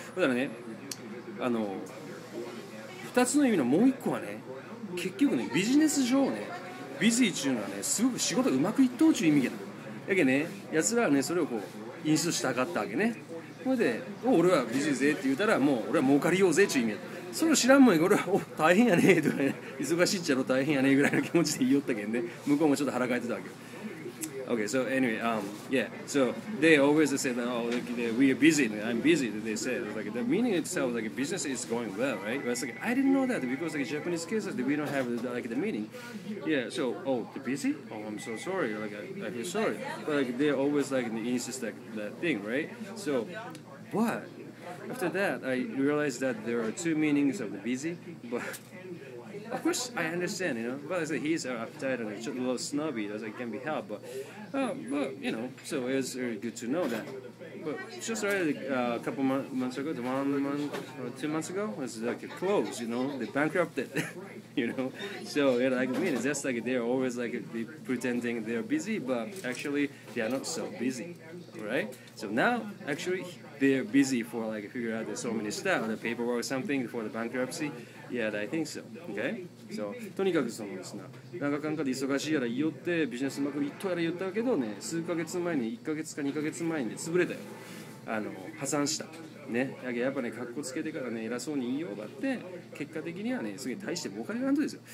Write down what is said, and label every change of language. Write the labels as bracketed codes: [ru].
[ja] ほんならね、あの2つの意味のもう一個はね、結局ねビジネス上ね、ビジーちゅうのはね、すごく仕事うまくいっとうちゅう意味だ。やけね、やつらはねそれをこう印象したかったわけね。それで、お俺はビジーぜって言ったら、もう俺は儲かりようぜっていう意味やった。それを知らんもんや、俺は、お大変やねえとかね、忙しいっちゃろ、大変やねえぐらいの気持ちで言いよったけんね、向こうもちょっと腹かいてたわけよ。 [en] Okay, so anyway, yeah, so they always say that, oh, like, that we are busy, I'm busy, they say, like, the meaning itself, like, business is going well, right? But it's like, I didn't know that, because, like, Japanese cases, we don't have, like, the meaning. Yeah, so, oh, the busy? Oh, I'm so sorry, like, I feel sorry. But, like, they always, like, insist like, that thing, right? So, but, after that, I realized that there are two meanings of the busy, but... Of course, I understand, you know, but I said he's uptight and a little snobby, that's like, can be helped, but, you know, so it's very good to know that. But just right, a couple months ago, 1 month or 2 months ago, it was like a close, you know, they bankrupted, you know. So, yeah, like, I mean, it's just like they're always like pretending they're busy, but actually, they are not so busy, right? So now, actually, they're busy for like figuring out so many stuff, the paperwork or something for the bankruptcy. Yeah, I think so. Okay? [ja] So, とにかくそのですね、長間隔で忙しいやら言おって、ビジネスうまくいっとやら言ったけどね、数ヶ月前に、1ヶ月か2ヶ月前に、ね、潰れたよ。あの、破産した。ね。やっぱね、格好つけてからね、偉そうに言いようがあって、結果的にはね、すげえ大して儲かりがないんですよ。